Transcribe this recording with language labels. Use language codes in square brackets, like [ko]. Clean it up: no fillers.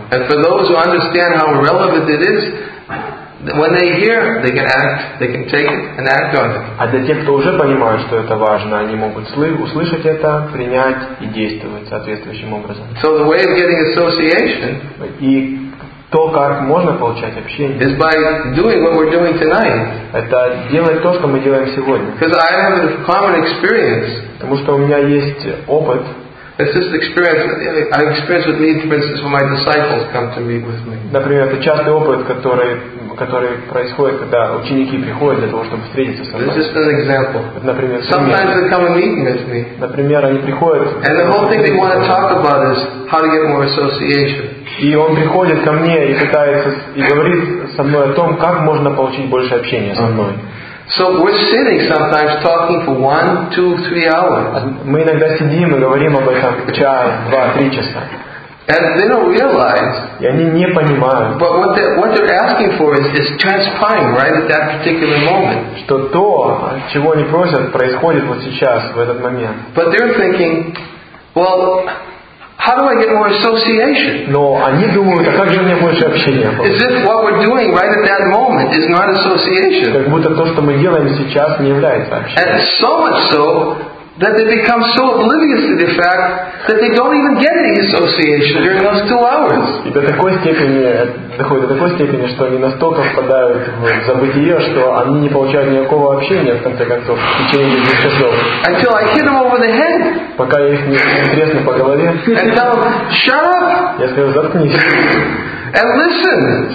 [en] And for those who understand how relevant it is, when they hear, they can act. They can take it and act on it. [ru] А для тех, кто уже понимает, что это важно, они могут услышать это, принять и действовать соответствующим образом. [en] So the way of getting association. [ru] То, как можно получать общение, [en] is by doing what we're doing tonight. [ru] Это делать то, что мы делаем сегодня. [en] Because I have a common experience. [ru] Потому что у меня есть опыт. [en] It's just experience. I've experienced with me, for instance, when my disciples come to meet with me. [ru] Например, это частый опыт, который происходит, когда ученики приходят для того, чтобы встретиться со мной. [en] It's just an example. [ru] Вот, например, [en] sometimes they come and meet with me. [ru] Например, они приходят. [en] And the whole thing they want to talk about is how to get more association. [ru] И он приходит ко мне и пытается и говорит со мной о том, как можно получить больше общения со мной. [en] So we're sitting sometimes talking for 1, 2, 3 hours. [ru] Мы иногда сидим и говорим об этом час, два, три часа. [en] And they don't realize. [ru] И они не понимают. [en] But what they're asking for is transpiring right at that particular moment. [ru] Что то, чего они просят, происходит вот сейчас, в этот момент. [en] But they're thinking, Well, how do I get more association? [ru] Но они думают, а как же мне больше общения? [en] As if what we're doing right at that moment is not association. [ru] Как будто то, что мы делаем сейчас, не является общением. [en] And so much so that they become so oblivious to the fact that they don't even get any association during those 2 hours. [ru] И до такой степени доходит, до такой степени, что они настолько впадают в забытие, что они не получают никакого общения в конце концов в течение 2 часов. [en] Until I hit them over the head. [ru] Пока я их не интересно по голове. [en] And tell them, shut up. [ru] Я скажу, заткнись. [en] And listen.